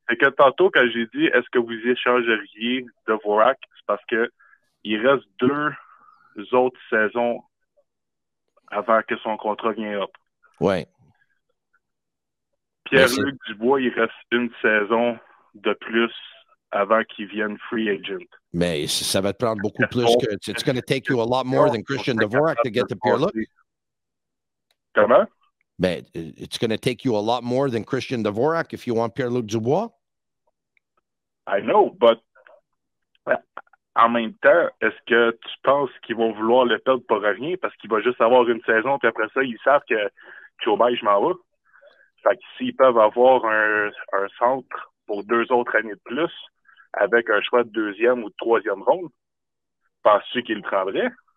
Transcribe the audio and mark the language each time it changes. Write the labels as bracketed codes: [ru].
[fr] C'est que tantôt, quand j'ai dit est-ce que vous échangeriez de Vorak, c'est parce que il reste deux autres saisons avant que son contrat vienne up. Oui. Pierre-Luc Dubois, il reste une saison de plus avant qu'il vienne free agent. Mais ça va te prendre beaucoup plus que. [en] It's going to take you a lot more than Christian Dvorak to get to Pierre-Luc. [fr] Comment? [en] Mais it's going to take you a lot more than Christian Dvorak if you want Pierre-Luc Dubois. I know, but [fr] en même temps, est-ce que tu penses qu'ils vont vouloir le perdre pour rien parce qu'il va juste avoir une saison puis après ça, ils savent que tu obéis, je m'en vais? Fait que s'ils peuvent avoir un centre pour deux autres années de plus avec un choix de deuxième ou de troisième ronde, penses-tu qu'ils le prendraient?